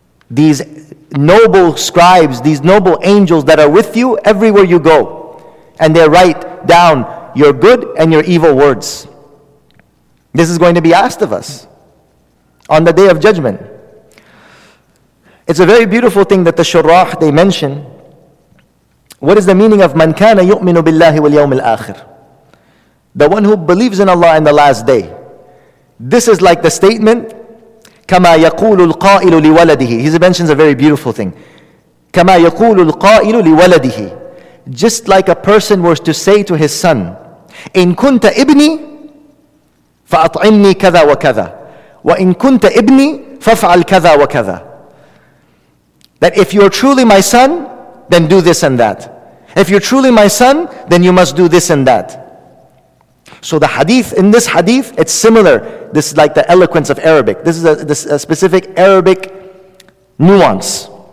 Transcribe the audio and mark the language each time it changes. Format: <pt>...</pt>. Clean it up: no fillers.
<en>These noble scribes, these noble angels that are with you everywhere you go, and they write down your good and your evil words. This is going to be asked of us on the Day of Judgment. It's a very beautiful thing that the Shurah, they mention. What is the meaning of</en> <ar>مَنْ كَانَ يُؤْمِنُ بِاللَّهِ وَالْيَوْمِ الْآخِرِ.</ar> <en>The one who believes in Allah in the last day. This is like the statement</en> <ar>كَمَا يَقُولُ الْقَائِلُ لِوَلَدِهِ.</ar> <en>He mentions a very beautiful thing.</en> <ar>كَمَا يَقُولُ الْقَائِلُ لِوَلَدِهِ.</ar> <en>Just like a person was to say to his son,</en> <ar>إِن كُنْتَ إِبْنِي فَأَطْعِمْنِي كَذَا وَكَذَا وَإِن كُنْتَ إِبْنِي فَفْعَلْ كَذَا وَكَذَا.</ar> <en>That if you're truly my son, then do this and that. If you're truly my son, then you must do this and that. So the hadith, in this hadith, it's similar. This is like the eloquence of Arabic. This is a specific Arabic nuance.</en>